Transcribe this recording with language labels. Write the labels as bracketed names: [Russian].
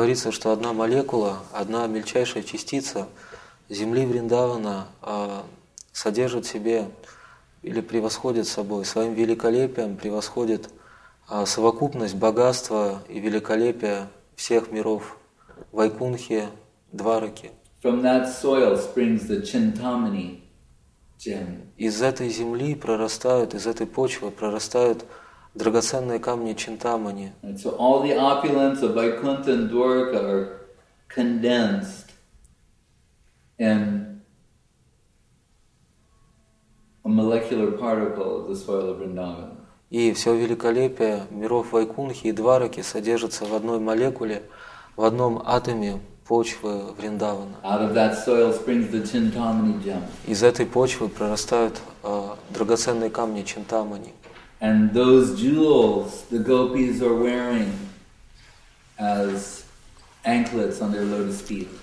[Russian] Говорится, что одна молекула, одна мельчайшая частица земли Вриндавана содержит в себе или превосходит собой, своим великолепием превосходит совокупность богатства и великолепия всех миров Вайкунхи, Двараки. [English] From that soil springs the Chintamani gem. [Russian] Из этой земли прорастают, из этой почвы прорастают драгоценные камни Чинтамани. [English] So all the opulence of Vaikuntha and Dwarka are condensed in a molecular particle of the soil of Vrindavan. [Russian] И все великолепие миров Вайкунхи и Двараки содержится в одной молекуле, в одном атоме почвы Вриндавана. [English] Out of that soil springs the Chintamani gem. [Russian] Из этой почвы прорастают драгоценные камни Чинтамани. [English] And those jewels the gopis are wearing as anklets on their lotus feet.